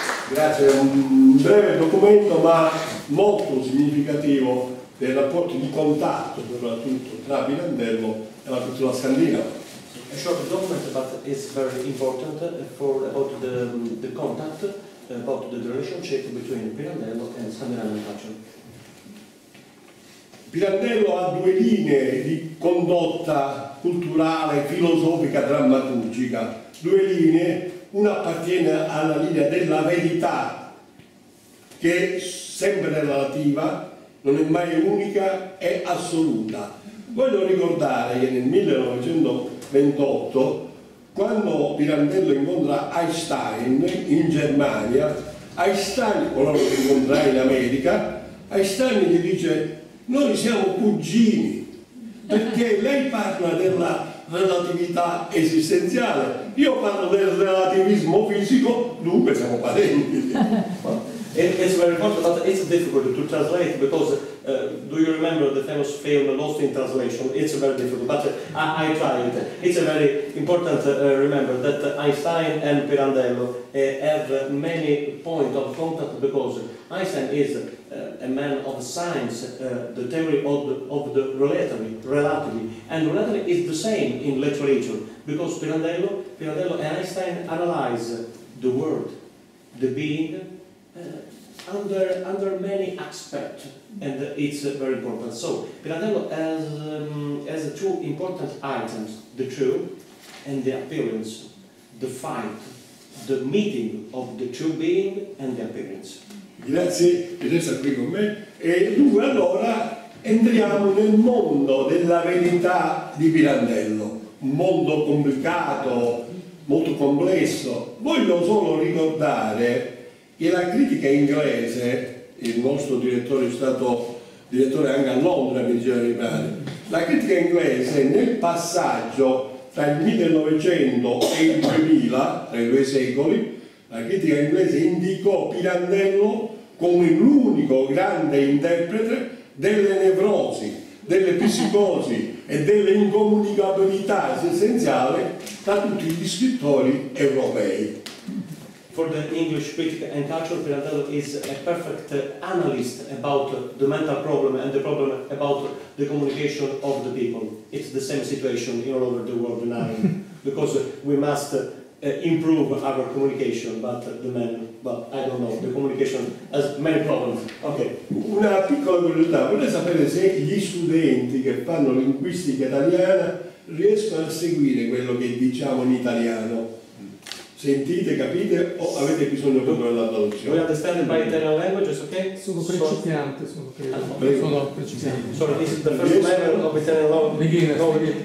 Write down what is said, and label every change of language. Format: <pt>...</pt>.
<it>Grazie, un breve documento ma molto significativo del rapporto di contatto soprattutto tra Pirandello e la cultura scandinava.</it> <en>A short document but it's very important for about the contact, about the relationship between Pirandello and Scandinavian culture.</en> <it>Pirandello ha due linee di condotta culturale, filosofica, drammaturgica. Due linee, una appartiene alla linea della verità, che è sempre relativa, non è mai unica, è assoluta. Voglio ricordare che nel 1928, quando Pirandello incontra Einstein in Germania, Einstein, coloro che incontra in America, Einstein gli dice: noi siamo cugini, perché lei parla della relatività esistenziale. Io parlo del relativismo fisico, dunque siamo parenti.</it> <en>It's very important, but it's difficult to translate because do you remember the famous film Lost in Translation? It's very difficult, but I tried. It's a very important remember that Einstein and Pirandello have many points of contact because Einstein is a man of science, the theory of the relativity, and relativity is the same in literature because Pirandello and Einstein analyze the world, the being. Under many aspects, and it's very important. So Pirandello has two important items: the true and the appearance, the fight, the meeting of the true being and the appearance.</en> <it>Grazie per essere qui con me. E dunque allora entriamo nel mondo della verità di Pirandello, un mondo complicato, molto complesso. Voglio solo ricordare che la critica inglese, il nostro direttore è stato direttore anche a Londra, mi diceva di fare, la critica inglese nel passaggio tra il 1900 e il 2000, tra i due secoli, la critica inglese indicò Pirandello come l'unico grande interprete delle nevrosi, delle psicosi e delle incomunicabilità esistenziali tra tutti gli scrittori europei.</it> <en>For the English critic and culture, Pirandello is a perfect analyst about the mental problem and the problem about the communication of the people. It's the same situation all over the world now, because we must improve our communication, but the men, but I don't know, the communication has many problems. Okay.</en> <it>Una piccola curiosità, vorrei sapere se gli studenti che fanno linguistica italiana riescono a seguire quello che diciamo in italiano. Sentite, capite o avete bisogno proprio della traduzione?</it> <en>We understand by Italian language, ok?</en> <it>Sono principiante, sono principiante.</it> <en>Sorry, this is the first level of Italian language.</en>